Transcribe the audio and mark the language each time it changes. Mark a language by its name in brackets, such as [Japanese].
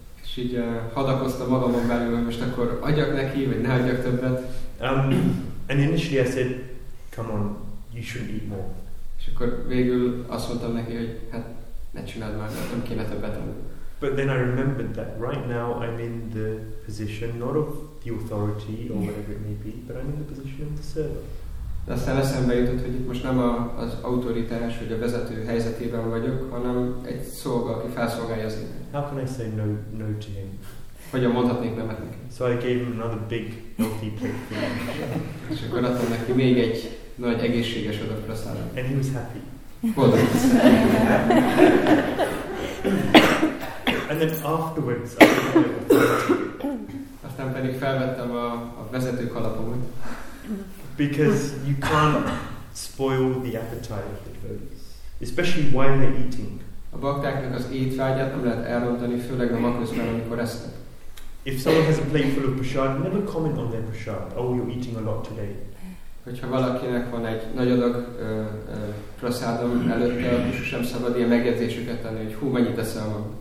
[Hungarian] És így hadakoztam magamon belül, hogy most akkor adjak neki, vagy ne adjak többet. [English] And initially I said, come on, you shouldn't eat more. [Hungarian] És akkor végül azt mondtam neki, hogy hát ne csináld már, nem kéne többet. [English] But then I remembered that right now I'm in the position not of the authority or whatever it may be, but I'm in the position of the servant. [Hungarian] De aztán eszembe jutott, hogy itt most nem az autoritás vagy a vezető helyzetében vagyok, hanem egy szolga, aki felszolgálja az embert. [English] How can I say no to him? [Hungarian] Hogyan mondhatnék nemet neki? [English] So I gave him another big healthy plate for him. [Hungarian] És akkor adtam neki még egy nagy egészséges adag prasadra. [English] And he was happy. [Hungarian] Boldog. [English] And then afterwards, I gave him [Hungarian] aztán pedig felvettem a vezető kalapomat. [English] Because you can't spoil the appetite of the devotees. Especially while they're eating. [Hungarian] A baktáknak az étvágyát nem lehet elrontani, főleg a maközben, amikor esznek. [English] If someone has a plate full of prasad, never comment on their prasad. Oh, you're eating a lot today. [Hungarian] Hogyha valakinek van egy nagy adag prasádom előtte, akkor sem szabad ilyen megjegyzéseket tenni, hogy hú, mennyit eszel ma.